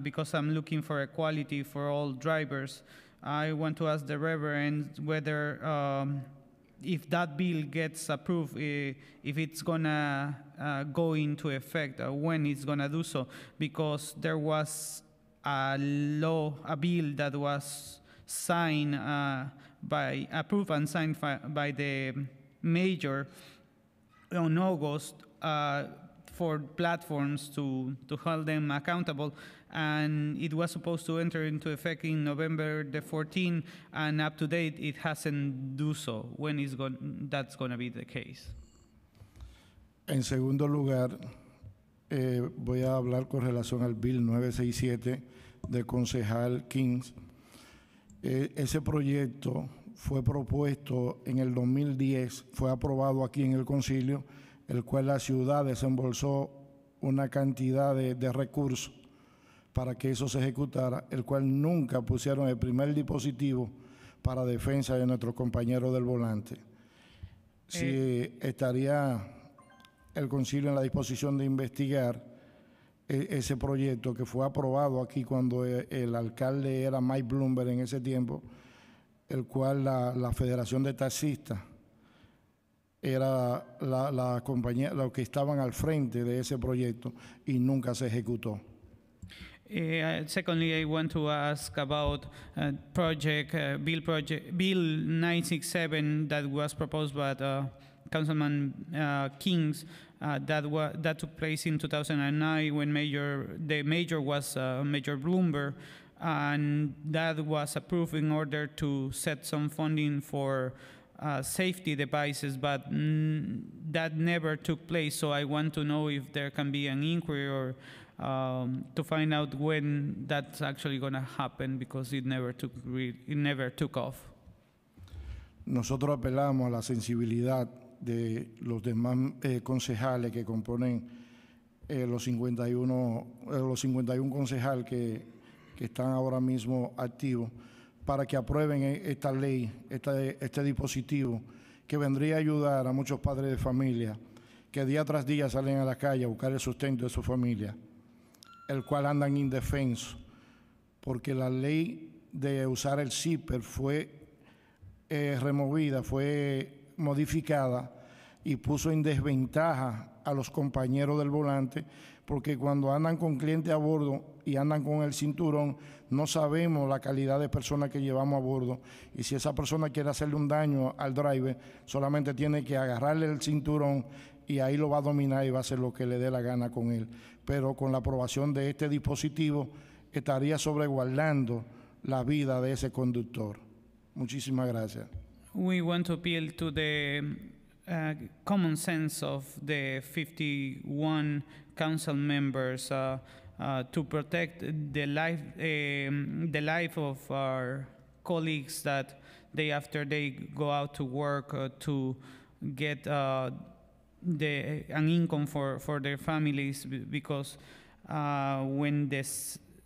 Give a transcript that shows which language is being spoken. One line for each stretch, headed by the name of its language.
English: Because I'm looking for equality for all drivers. I want to ask the Reverend whether, if that bill gets approved, if it's gonna go into effect, when it's gonna do so, because there was a bill that was approved and signed by the mayor on August, for platforms to hold them accountable, and it was supposed to enter into effect in November the 14th, and up to date it hasn't do so. When is that's going to be the case?
Spanish: En segundo lugar, voy a hablar con relación al Bill 967 del concejal Kings. Ese proyecto fue propuesto en el 2010, fue aprobado aquí en el concilio, el cual la ciudad desembolsó una cantidad de recursos para que eso se ejecutara, el cual nunca pusieron el primer dispositivo para defensa de nuestros compañeros del volante. Si estaría el concilio en la disposición de investigar ese proyecto que fue aprobado aquí cuando el alcalde era Mike Bloomberg en ese tiempo, el cual la Federación de Taxistas era la compañía, lo que estaban al frente de ese proyecto y nunca se ejecutó.
English: Secondly, I want to ask about Bill 967 that was proposed by Councilman Kings that took place in 2009 when Major Bloomberg, and that was approved in order to set some funding for safety devices, but that never took place. So I want to know if there can be an inquiry or to find out when that's actually going to happen, because it never took off.
Spanish: Nosotros apelamos a la sensibilidad de los demás concejales que componen los 51 concejales que están ahora mismo activos, para que aprueben esta ley, este dispositivo, que vendría a ayudar a muchos padres de familia que día tras día salen a la calle a buscar el sustento de su familia, el cual andan indefensos, porque la ley de usar el zipper fue removida, fue modificada y puso en desventaja a los compañeros del volante, porque cuando andan con cliente a bordo y andan con el cinturón, no sabemos la calidad de persona que llevamos a bordo. Y si esa persona quiere hacerle un daño al driver, solamente tiene que agarrarle el cinturón y ahí lo va a dominar y va a hacer lo que le dé la gana con él. Pero con la aprobación de este dispositivo, estaría sobreguardando la vida de ese conductor. Muchísimas gracias.
English: We want to appeal to the common sense of the 51 council members to protect the life of our colleagues, that day after day go out to work to get an income for their families, because when this